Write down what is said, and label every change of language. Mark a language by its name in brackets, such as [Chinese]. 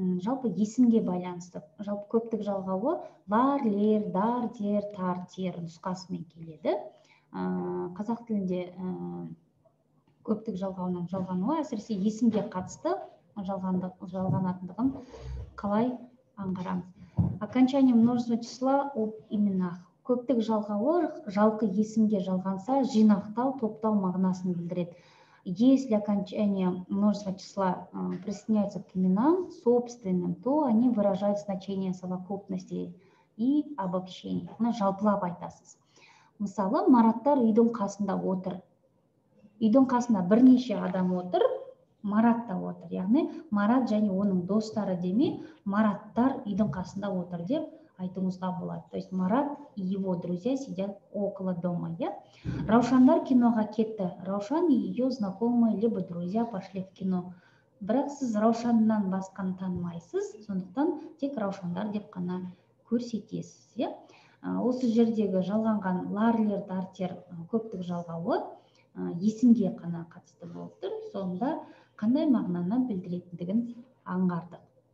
[Kazakh] Жалпы есімге байланысты. Жалпы көптік жалғауы лар, лер, дар, дер, тар, тер нұсқасымен келеді. Қазақ тілінде көптік жалғауының жалғануы әсіресе есімге қатысты. Жалғанатындығын қалай аңғарамыз. [Russian] Окончание множества числа об именах. [Kazakh] Көптік жалғауы жалқы есімге жалғанса, жинақтау, топтау мағынасын білдіреді. [Russian] Если окончание множества числа присоединяется к именам собственным, то они выражают значение совокупности и обобщения. [Kazakh] Мына жалпылап айтасыз. Мысалы, Мараттар үйдің қасында отыр. Үйдің қасында бірнеше адам отыр. Маратта отыр, яғни Марат және оның достары деме, Мараттар үйдің қасында отыр деп айтуымызға болады. [Russian] То есть Марат и его друзья сидят около дома, иә? [Kazakh] Раушандар киноға кетті. [Russian] Раушан и ее знакомые либо друзья пошли в кино. [Kazakh] Бірақ сіз Раушаннан басқаны танымайсыз, сондықтан тек Раушандар деп қана көрсетесіз, иә? Осы жердегі жалғанған ларлер, дартер көптік жалғауы есімге қана қатысты болып тұр. Сонда қандай мағынаны білдіретіндігін аңғардық.